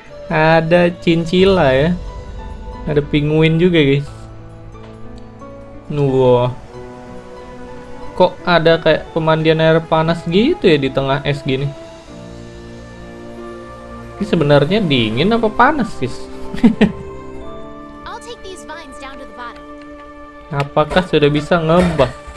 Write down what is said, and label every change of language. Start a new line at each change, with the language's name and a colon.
Indonesian: Ada chinchilla ya. Ada penguin juga guys. Wow. Kok ada kayak pemandian air panas gitu ya di tengah es gini? Ini sebenarnya dingin apa panas sih?
English: I'll take these vines down to the bottom.
Indonesian: Apakah sudah bisa nge-buff?